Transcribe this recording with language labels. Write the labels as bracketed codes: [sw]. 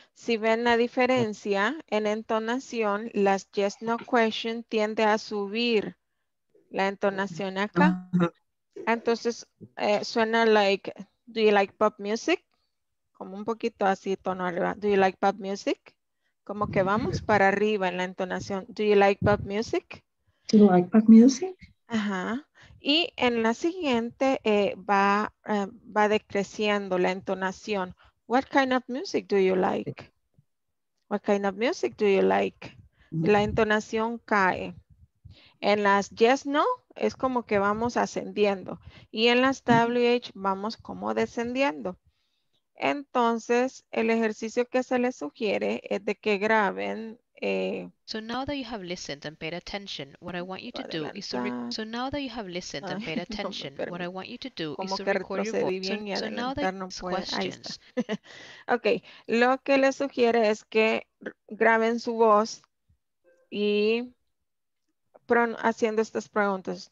[es] Si ven la diferencia en entonación, las yes no question tiende a subir la entonación acá. Entonces suena [en] like, do you like pop music? [es] Como un poquito así tono arriba. [en] Do you like pop music? [es] Como que vamos para arriba en la entonación. [en] Do you like pop music? Do you like pop music? Ajá. [es] Y en la siguiente va decreciendo la entonación. [en] What kind of music do you like? What kind of music do you like? [es] La entonación cae. En las yes, no, es como que vamos ascendiendo. Y en las WH vamos como descendiendo. Entonces, el ejercicio que se les sugiere es de que graben... [en] So now that you have listened and paid attention, what I want you to do is to so now that you have listened and paid attention, what I want you to do is to record your voice. So now that no questions. [es] Okay, lo que les sugiere es que graben su voz y haciendo estas preguntas.